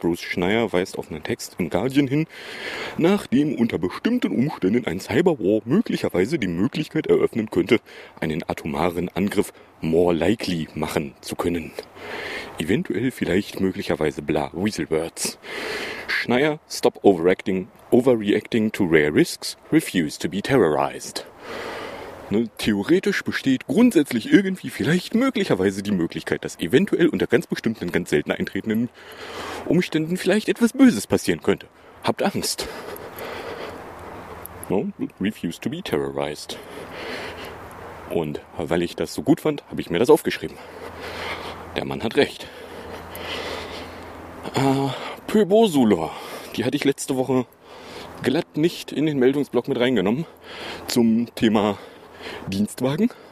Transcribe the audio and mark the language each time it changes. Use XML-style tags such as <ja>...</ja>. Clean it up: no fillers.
<de>Bruce Schneier weist auf einen Text im Guardian hin, nachdem unter bestimmten Umständen ein Cyberwar möglicherweise die Möglichkeit eröffnen könnte, einen atomaren Angriff more likely machen zu können. Eventuell, vielleicht, möglicherweise, bla, Weaselbirds.</de> <en>Schneier, stop overreacting to rare risks, refuse to be terrorized.</en> <de>Theoretisch besteht grundsätzlich irgendwie vielleicht möglicherweise die Möglichkeit, dass eventuell unter ganz bestimmten, ganz selten eintretenden Umständen vielleicht etwas Böses passieren könnte. Habt Angst.</de> <en>No, refuse to be terrorized.</en> <de>Und weil ich das so gut fand, habe ich mir das aufgeschrieben. Der Mann hat recht. Pöbosulor, die hatte ich letzte Woche glatt nicht in den Meldungsblock mit reingenommen zum Thema Dienstwagen.</de>